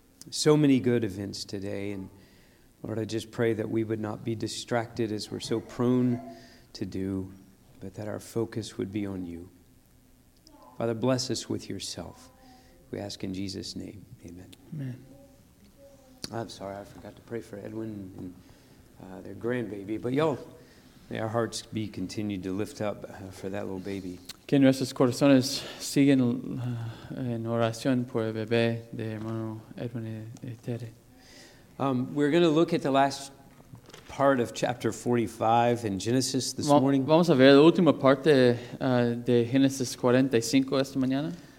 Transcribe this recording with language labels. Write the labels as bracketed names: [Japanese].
[English] So many good events today. And Lord, I just pray that we would not be distracted as we're so prone to do, but that our focus would be on you. Father, bless us with yourself. We ask in Jesus' name. Amen. Amen. I'm sorry, I forgot to pray for Edwin and their grandbaby, but y'all, may our hearts be continued to lift up for that little baby. [Spanish] Que nuestros corazones siguen en oración por el bebé de hermano Edwin y Tere. [English] We're going to look at the last part of chapter 45 in Genesis this morning. [Spanish] Vamos a ver la última parte de Genesis 45 esta mañana.